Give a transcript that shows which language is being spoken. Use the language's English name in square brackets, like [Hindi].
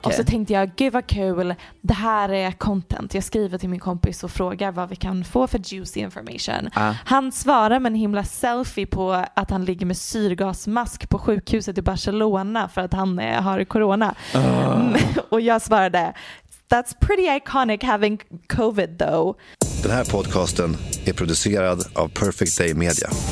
[Swedish] Och så tänkte jag, gud vad kul, det här är content. Jag skriver till min kompis och frågar vad vi kan få för juicy information. Han svarar med en himla selfie på att han ligger med syrgasmask på sjukhuset i Barcelona för att han har corona. Och jag svarade... [English] That's pretty iconic having COVID though. [Swedish] Den här podcasten är producerad av Perfect Day Media.